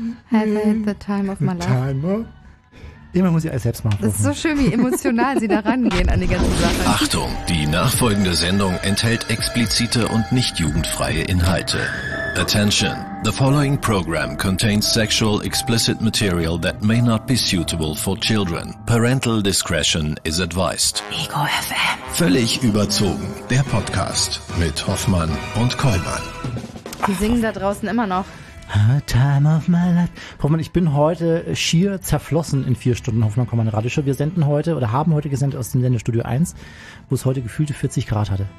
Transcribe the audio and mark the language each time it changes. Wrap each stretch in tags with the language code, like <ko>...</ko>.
<en>Have had the time of my life.</en> <de>Immer muss ich alles selbst machen. Das ist so schön, wie emotional sie da rangehen an die ganze Sache. Achtung, die nachfolgende Sendung enthält explizite und nicht jugendfreie Inhalte.</de> <en>Attention, the following program contains sexual explicit material that may not be suitable for children. Parental discretion is advised.</en> <de>Ego FM. Völlig überzogen, der Podcast mit Hoffmann und Kollmann. Die singen da draußen immer noch.</de> <en>Time of my life.</en> <de>Hoffmann, ich bin heute schier zerflossen in 4 Stunden, Hoffmann, komm an die Radioshow. Wir senden heute oder haben heute gesendet aus dem Sendestudio 1, wo es heute gefühlte 40 Grad hatte.</de>